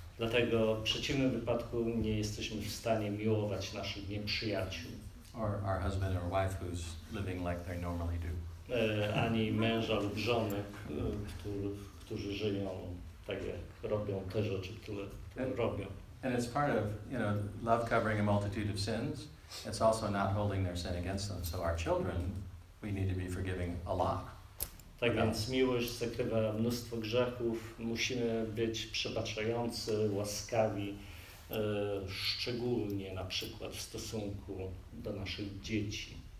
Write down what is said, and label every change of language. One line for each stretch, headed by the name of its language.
Polish: Dlatego w przeciwnym wypadku nie jesteśmy w stanie miłować naszych nieprzyjaciół.
English: Or our husband or wife who's living like they normally do.
Polish: Ani męża lub żony, którzy żyją tak jak robią te rzeczy, które robią.
English: And it's part of, you know, love covering a multitude of sins. It's also not holding their sin against them. So our children, we need to be forgiving a lot.
Polish: Tak więc miłość zakrywa mnóstwo grzechów. Musimy być przebaczający, łaskawi, szczególnie na przykład w stosunku do naszych dzieci.